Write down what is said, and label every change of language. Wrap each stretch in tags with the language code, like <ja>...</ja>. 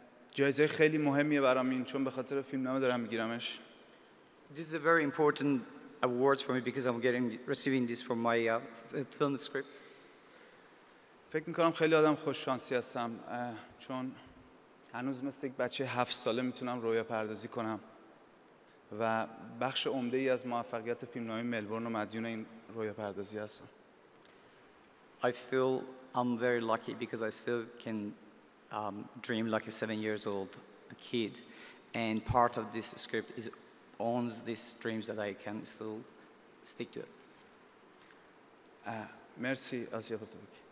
<fa>جایزه خیلی مهمیه برام این چون به خاطر فیلمنامه دارم میگیرمش.</fa> <en>This is a very important award for me because I'm receiving this for my film script.</en> <fa>فکر میکنم خیلی آدم خوششانسی هستم چون هنوز مثل یک بچه 7 ساله میتونم رویا پردازی کنم و بخش عمده ای از موفقیت فیلمنامه ملبورن و مدیون این رویا پردازی هستم.</fa> <en>I feel I'm very lucky because I still can dream like a 7 years old kid and part of this script is owns these dreams that I can still stick to.</en> <fa>مرسی آسیا پاسفیک.</fa>